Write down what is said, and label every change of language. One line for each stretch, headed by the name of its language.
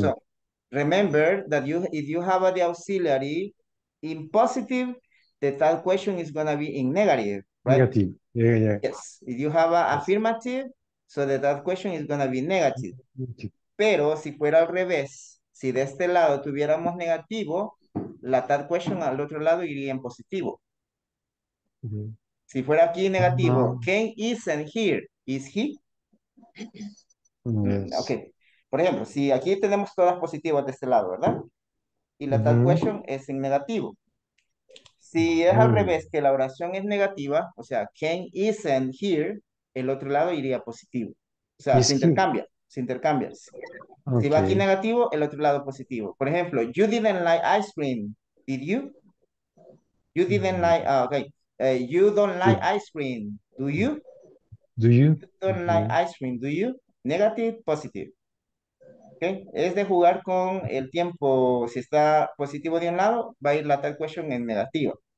English: So remember that you, if you have the auxiliary in positive, the third question is going to be in negative, right? Negative, yeah, yeah. Yes, if you have an affirmative, so the third question is going to be negative.
Spanish: Pero si fuera al revés, si de este lado tuviéramos negativo, la third question al otro lado iría en positivo. Mm-hmm. Si fuera aquí negativo,
English: Ken isn't here, is he? Yes. Okay.
Spanish: Por ejemplo, si aquí tenemos todas positivas de este lado, ¿verdad? Y la third question es en negativo. Si es al revés, que la oración es negativa, o sea,
English: Ken isn't here,
Spanish: el otro lado iría positivo. O sea, se intercambia. Okay. Si va aquí negativo, el otro lado positivo. Por ejemplo,
English: you didn't like ice cream, did you? You didn't like, okay. You don't like ice cream, do you? Do you? You don't like ice cream, do you? Negative, positive. Okay.
Spanish: Es de jugar con el tiempo. Si está positivo de un lado, va a ir la third question en negativa.